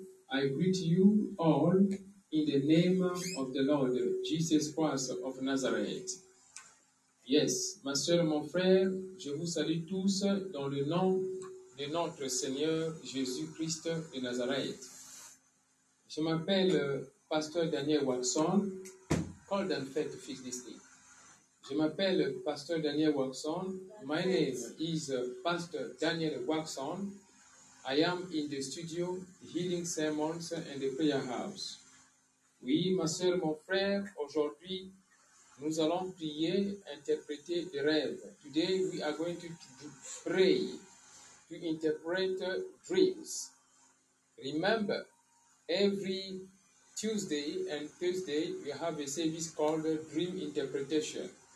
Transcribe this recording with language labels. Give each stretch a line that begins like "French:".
English: I greet you all in the name of the Lord Jesus Christ of Nazareth.
French: Yes, ma soeur, mon frère, je vous salue tous dans le nom de notre Seigneur Jésus-Christ de Nazareth. Je m'appelle
English: Pasteur Daniel Watson, called and fed to fix this thing.
French: Je m'appelle Pasteur Daniel Watson.
English: My name is Pasteur Daniel Watson. I am in the studio, the healing sermons and the prayer house.
French: Oui, ma soeur, mon frère, aujourd'hui, nous allons prier, interpréter des rêves.
English: Today, we are going to pray, to interpret dreams. Remember, every Tuesday and Thursday, we have a service called Dream Interpretation.